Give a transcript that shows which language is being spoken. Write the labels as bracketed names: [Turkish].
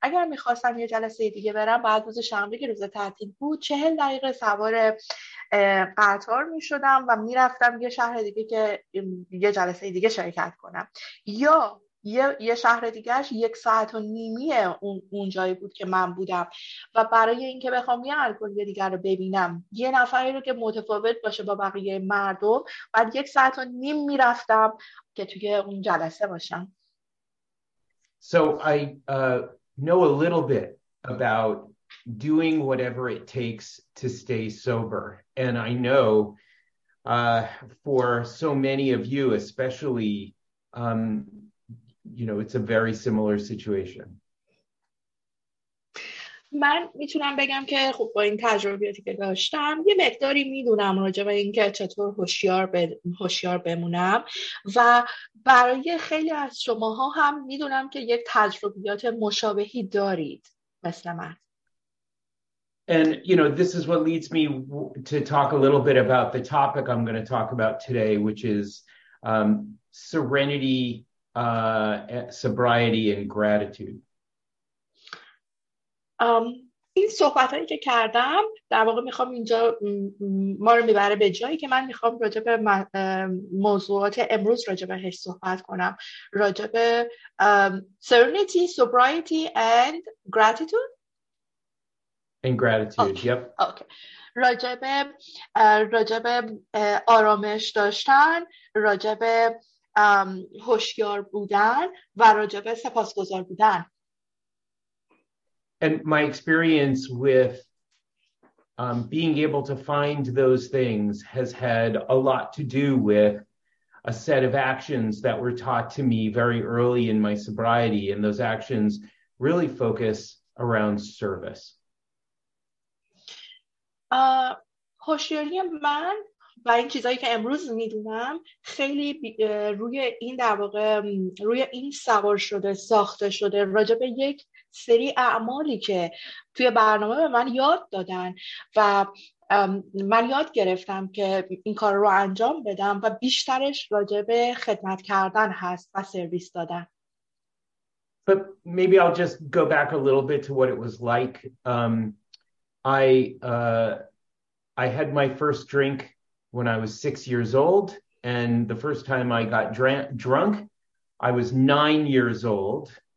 [Persian] اگر میخواستم یه جلسه دیگه برم، بعد روز شنبه که روز تعطیل بود 40 دقیقه سوار قطار میشدم و میرفتم یه شهر دیگه که یه جلسه دیگه شرکت کنم، یا یه شهر دیگهش 1.5 ساعت اون جایی بود که من بودم. و برای اینکه بخوام یه الگوی دیگر رو ببینم، یه نفری رو که متفاوت باشه با بقیه مردم، بعد 1.5 ساعت میرفتم که توی اون جلسه باشم. [English] So I know a little bit about doing whatever it takes to stay sober. And I know for so many of you, especially, you know, it's a very similar situation. [Persian] من میتونم بگم که خب با این تجربیاتی که داشتم یه مقداری میدونم راجع به اینکه چطور هوشیار بمونم، و برای خیلی از شماها هم میدونم که یک تجربیات مشابهی دارید مثل من. [English] And you know, this is what leads me to talk a little bit about the topic I'm going to talk about today, which is serenity, sobriety and gratitude. [Persian] این صحبت هایی که کردم در واقع میخوام اینجا ما رو میبره به جایی که من میخوام راجع به موضوعات امروز راجع بهش صحبت کنم، راجع به [English] serenity, sobriety and gratitude and gratitude. Okay. Yep. Okay. [Persian] راجع به آرامش داشتن، راجع به هوشیار بودن و راجع به سپاسگزار بودن. [English] And my experience with being able to find those things has had a lot to do with a set of actions that were taught to me very early in my sobriety. And those actions really focus around service. [Persian] هوشیاری من و این چیزایی که امروز میدونم خیلی روی این در واقع روی این سوار شده، ساخته شده راجع به یک سری اعمالی که توی برنامه به من یاد دادن و من یاد گرفتم که این کار رو انجام بدم، و بیشترش راجع به خدمت کردن هست و سرویس دادن. [English] But maybe I'll just go back a little bit to what it was like. I had my first drink when I was 6 years old, and the first time I got drunk, I was 9 years old.